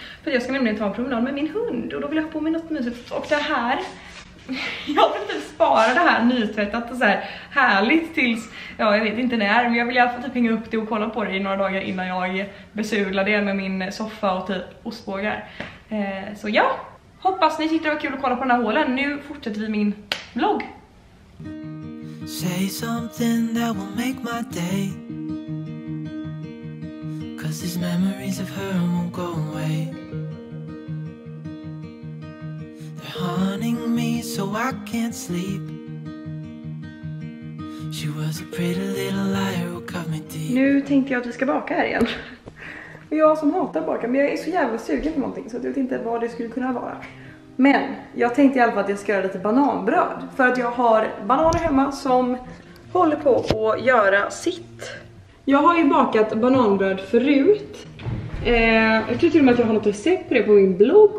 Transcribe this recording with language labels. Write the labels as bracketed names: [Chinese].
[Swedish] För jag ska nämligen ta en promenad med min hund och då vill jag ha på mig något mysigt. Och det här, jag vill typ spara det här nytvättat och så här härligt tills, ja jag vet inte när, men jag vill i alla fall typ hänga upp det och kolla på det i några dagar innan jag besudlar det med min soffa och typ ostbågar. Så ja, hoppas ni tyckte det var kul att kolla på den här hålen. Nu fortsätter vi min vlogg. [English] Say something that will make my day. Cause these memories of her won't go away. They're haunting me so I can't sleep. She was a pretty little liar who cut me deep. [Swedish] Nu tänkte jag att vi ska baka här igen. Jag som hatar baka, men jag är så jävla sugen på någonting så jag vet inte vad det skulle kunna vara. Men jag tänkte i alla fall att jag ska göra lite bananbröd. För att jag har bananer hemma som håller på att göra sitt. Jag har ju bakat bananbröd förut. Jag tror till och med att jag har något recept på det på min blogg.